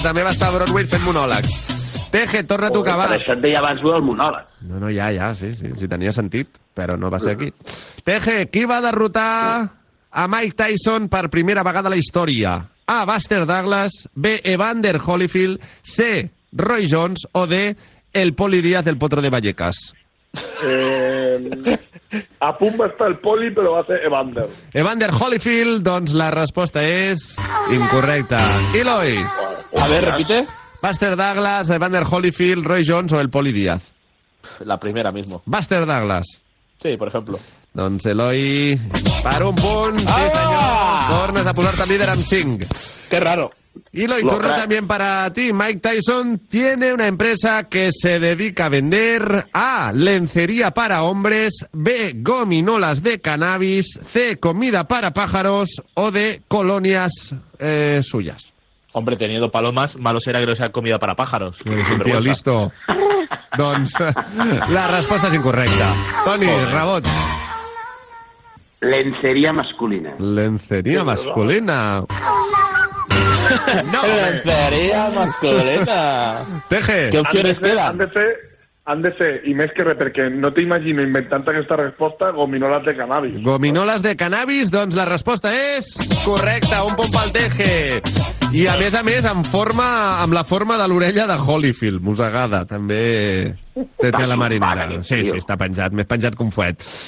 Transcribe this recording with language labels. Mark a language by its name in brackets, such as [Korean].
[Catalan] També va estar a Broadway fent monòlegs. Teje, torna a tocar, va. Per això et deia abans el monòleg. No, no, ja, sí, sí, sí, tenia sentit, però no va ser aquí. Teje, qui va derrotar a Mike Tyson per primera vegada a la història? A, Buster Douglas. B, Evander Holyfield. C, Roy Jones. O D, el Poli Díaz, el Potro de Vallecas. A punt va estar el Poli, però va ser Evander. Evander Holyfield, doncs la resposta és incorrecta. Eloi. [Spanish] A veure, repite. Buster Douglas, Evander Holyfield, Roy Jones o el Poli Díaz. La primera mismo. Buster Douglas. Sí, por ejemplo. [Catalan] Doncs Eloi, per un punt, sí senyor. Tornes a posar-te líder amb 5. [Spanish] Qué raro. Y lo incurro también para ti. Mike Tyson tiene una empresa que se dedica a vender A, lencería para hombres. B, gominolas de cannabis. C, comida para pájaros. O D, colonias suyas. Hombre, teniendo palomas, malo será que no sea comida para pájaros. Es un tío listo. Doncs la respuesta es incorrecta. Tony, rebot. Lencería masculina. Lencería masculina. No, lencería masculina. Teje, ¿qué opciones queda? Ándese, y más que re, porque no te imagino inventando esta respuesta, gominolas de cannabis. [Catalan] Gominolas de cannabis, doncs la resposta és correcta, un punt pel Teje. I a més, en forma, amb la forma de l'orella de Holyfield, mossegada, també té la marinera. Sí, sí, està penjat, més penjat que un fuet.